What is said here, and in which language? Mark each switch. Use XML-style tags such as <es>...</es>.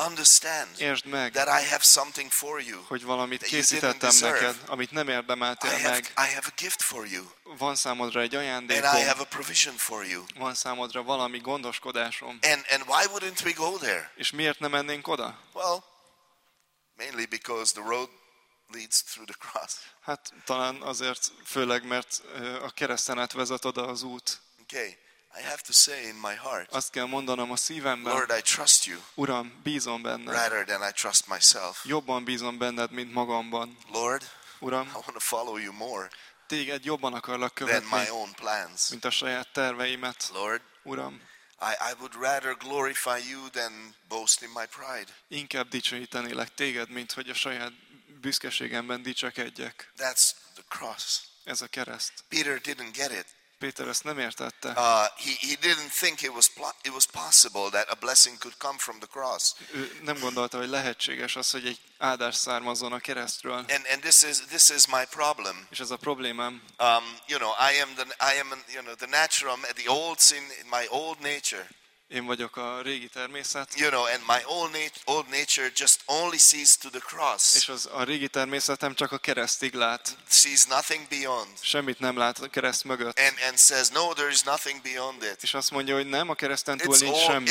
<en>Understand.</en> <hu>Értsd meg.</hu> <en>That I have something for you.</en> <hu>Hogy valamit készítettem neked, amit nem érdemeltél meg.</hu> <en>I have a gift for you.</en> <hu>Van számodra egy ajándékom.</hu> <en>And I have a provision for you.</en> <hu>Van számodra valami gondoskodásom.</hu> <en>And why wouldn't we go there?</en> <hu>És miért nem mennénk oda?</hu> <en>Well, mainly because the road leads through the cross.</en> <hu>Hát talán azért, főleg mert a kereszten átvezet oda az út.</hu> <en>Okay, I have to say in my heart.</en> <hu>Azt kell mondanom a szívemben.</hu> <en>Lord, I trust you.</en> <hu>Uram, bízom benned.</hu> <en>Rather than I trust myself.</en> <hu>Jobban bízom benned, mint magamban.</hu> <en>Lord,</en> <hu>Uram,</hu> <en>I want to follow you more.</en> <hu>Téged jobban akarlak követni.</hu> <en>Than my own plans.</en> <hu>Mint a saját terveimet.</hu> <en>Lord,</en> <hu>Uram,</hu> <en>I would rather glorify you than boast in my pride.</en> <hu>Inkább dicsőítenélek téged, mint hogy a saját büszkeségemben dicsekedjek.</hu> <en>That's the cross.</en> <hu>Ez a kereszt.</hu> <en>Peter didn't get it.</en> <hu>Péter ezt nem értette.</hu> <en>He didn't think it was possible that a blessing could come from the cross.</en> <hu>Ő nem gondolta, hogy lehetséges az, hogy egy áldás származzon a keresztről.</hu> <en>And this is my problem.</en> <hu>És ez a problémám.</hu> <en>You know, I am you know, the natural, the old sin, my old nature.</en> <hu>Én vagyok a régi természet.</hu> <en>You know, and my old nature just only sees to the cross.</en> <hu>És az a régi természetem csak a keresztig lát.</hu> <en>Sees nothing beyond.</en> <hu>Semmit nem lát a kereszt mögött.</hu> <en>And says no, there is nothing beyond it.</en> <hu>És azt mondja, hogy nem, a kereszten túl nincs semmi.</hu>